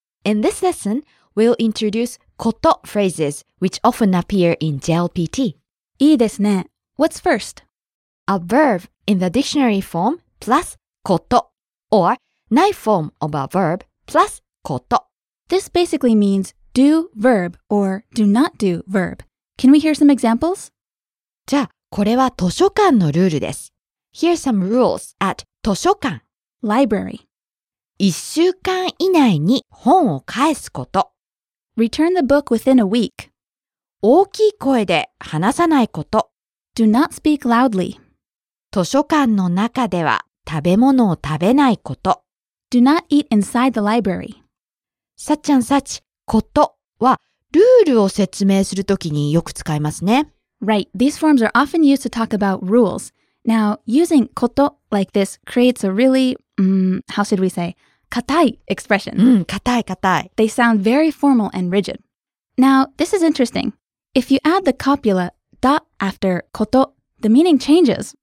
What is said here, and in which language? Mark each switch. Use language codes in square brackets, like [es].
[en] In this lesson, we'll introduce koto phrases, which often appear in JLPT. [ja] いいですね。 [en] What's first? A verb in the dictionary form plus koto, or nai form of a verb plus koto. This basically means do verb or do not do verb. Can we hear some examples? [ja] じゃあこれは図書館のルールです。 [en] Here are some rules at 図書館。 Library. [ja] 一週間以内に本を返すこと。 [en] Return the book within a week. [ja] 大きい声で話さないこと。 [en] Do not speak loudly. [ja] 図書館の中では食べ物を食べないこと。 [en] Do not eat inside the library. [ja] さっちゃんさち、ことはルールを説明するときによく使いますね。 [en] Right, these forms are often used to talk about rules. Now, using koto like this creates a really, how should we say, katai expression. Katai, katai. They sound very formal and rigid. Now, this is interesting. If you add the copula da after koto, the meaning changes.